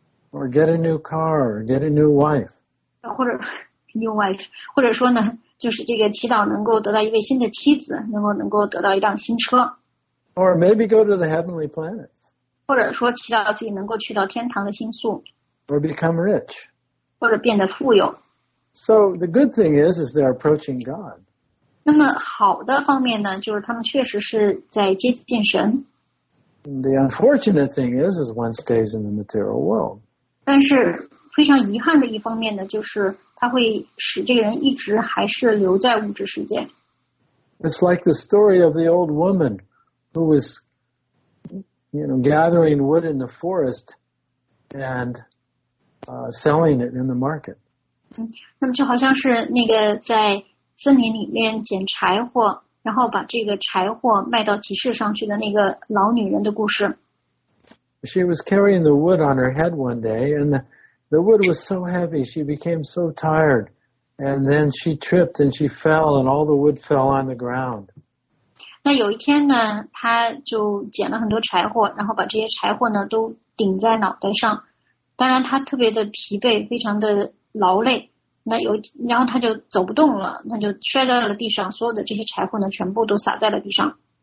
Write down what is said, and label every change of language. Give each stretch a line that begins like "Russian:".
English: or get a new car or get a new wife
Chinese: 或者
English: new wife
Chinese: 或者说呢就是这个祈祷能够得到一位新的妻子能够得到一辆新车
English: Or maybe go to the heavenly planets.
Chinese: 或者说祈祷自己能够去到天堂的星宿。
English: Or become rich.
Chinese: 或者变得富有。
English: So the good thing is they're approaching God.
Chinese: 那么好的方面呢就是他们确实是在接近神。
English: The unfortunate thing is one stays in the material world.
Chinese: 但是非常遗憾的一方面呢就是他会使这个人一直还是留在物质世界。
English: It's like the story of the old woman. Who was, you know, gathering wood in the forest and selling it in the market.
Chinese: 那么就好像是那个在森林里面捡柴火，然后把这个柴火卖到集市上去的那个老女人的故事。
English: She was carrying the wood on her head one day, and the wood was so heavy, she became so tired, and then she tripped and she fell, and all the wood fell on the ground.
Chinese: 那有一天呢他就捡了很多柴火然后把这些柴火呢都顶在脑袋上。当然他特别的疲惫非常的劳累。然后他就走不动了那就摔在了地上所有的这些柴火呢全部都洒在了地上。